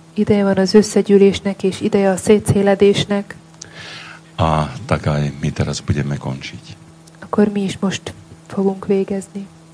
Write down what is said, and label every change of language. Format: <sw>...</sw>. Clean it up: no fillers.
<hu>Ideje van az összegyűlésnek, és ideje a szétszéledésnek.</hu> <sk>A tak aj my teraz budeme končiť.</sk> <hu>Akkor mi is most fogunk végezni.</hu>